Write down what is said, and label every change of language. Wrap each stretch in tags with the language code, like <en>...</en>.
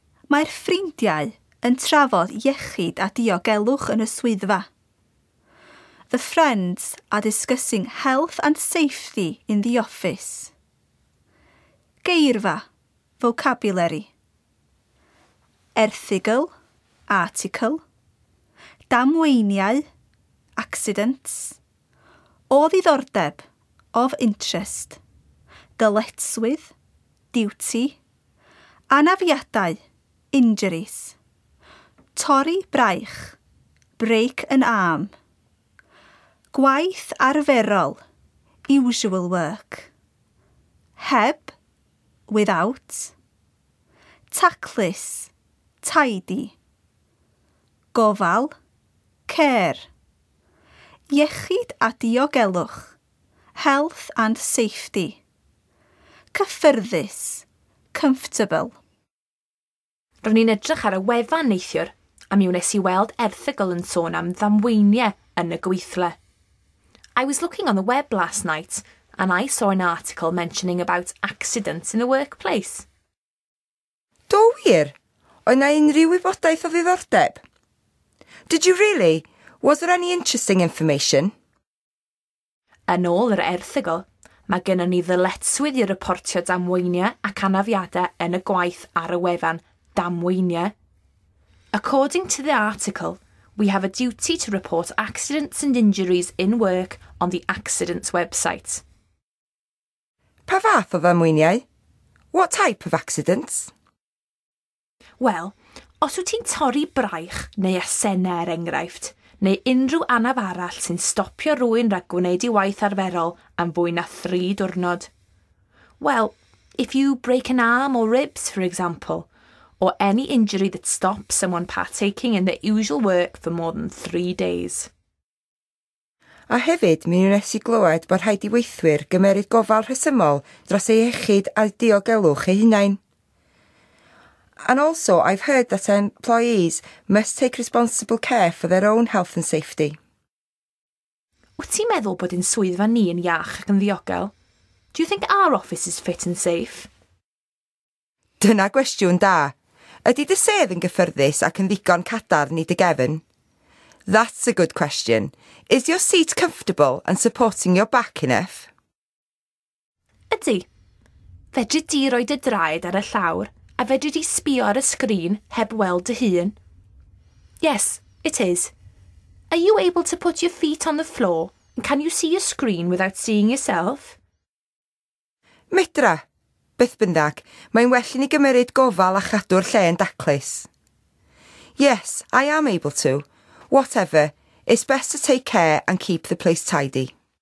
<cy>Mae'r ffrindiau yn trafod iechyd a diogelwch yn y swyddfa.</cy> <en>The friends are discussing health and safety in the office.</en> <cy>Geirfa, vocabulary. Erthigl, article. Damweiniau, accidents. O ddiddordeb,</cy> <en>of interest.</en> <cy>Dyletswydd, duty. Anafiadau, injuries. Torri braich,</cy> <en>break an arm.</en> <cy>Gwaith arferol,</cy> <en>usual work.</en> <cy>Heb, without. Taclus, tidy. Gofal, care. Iechyd a diogelwch,</cy> <en>health and safety.</en> <cy>Cyffyrddus, comfortable. Ro'n ni'n edrych ar y wefan neithiwr, a mi wnes i weld erthygl yn sôn am ddamweiniau yn y gweithle.</cy> <en>I was looking on the web last night and I saw an article mentioning about accidents in the workplace.</en> <cy>Do wir? Oedd na unrhyw wybodaeth o ddiddordeb?</cy> <en>Did you really? Was there any interesting information?</en> <cy>Yn ôl yr erthygl, mae gynnon ni ddyletswydd i reportio damweiniau ac anafiadau yn y gwaith ar y wefan damweiniau.</cy> <en>According to the article, we have a duty to report accidents and injuries in work on the accidents website.</en> <cy>Pa fath o ddamweiniau?</cy> <en>What type of accidents?</en> <cy>Well, os wyt ti'n torri braich neu asennau er enghraifft, neu unrhyw anaf arall sy'n stopio rhywun rhag gwneud ei waith arferol am fwy na 3 diwrnod.</cy> <en>Well, if you break an arm or ribs, for example, or any injury that stops someone partaking in their usual work for more than 3 days.</en> <cy>A hefyd, mi wnes i glywed bod rhaid i weithwyr gymeryd gofal rhesymol dros ei iechyd a diogelwch eu hunain.</cy> <en>And also, I've heard that employees must take responsible care for their own health and safety.</en> <cy>Wyt ti'n meddwl bod ein swyddfa ni yn iach ac yn ddiogel?</cy> <en>Do you think our office is fit and safe?</en> <cy>Dyna gwestiwn da. Ydy dy sedd yn gyffyrddus ac yn ddigon cadarn ni dy gefn?</cy> <en>That's a good question. Is your seat comfortable and supporting your back enough?</en> <cy>Ydy. Fedri di roi dy draed ar y llawr a fedri di sbio ar y sgrin heb weld dy hun?</cy> <en>Yes, it is. Are you able to put your feet on the floor and can you see your screen without seeing yourself?</en> <cy>Medra. Beth bynnag, mae'n well i ni gymeryd gofal a chadw'r lle yn daclus.</cy> <en>Yes, I am able to. Whatever, it's best to take care and keep the place tidy.</en>